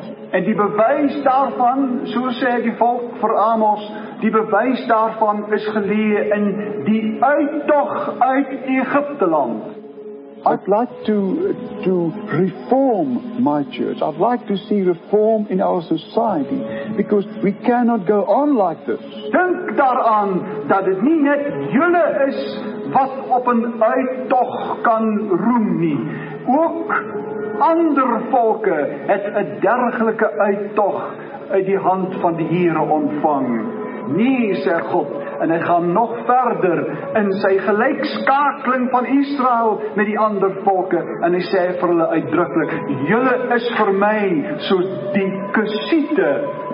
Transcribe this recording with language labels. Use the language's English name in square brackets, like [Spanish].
[Afrikaans] En die bewys daarvan, so sê die volk vir Amos, die bewys daarvan is geleë in die uittog uit Egipteland. [English] I'd like to reform my church. I'd like to see reform in our society because we cannot go on like this. [Afrikaans] Dink daaraan dat dit nie net julle is wat op 'n uittog kan roem nie. Ook ander volke het 'n dergelike uittog uit die hand van die Here ontvang. Nee, sê God, en hy gaan nog verder in sy gelykskakeling van Israel met die ander volke, en hy sê vir hulle uitdruklik, julle is vir my soos die Kusiete.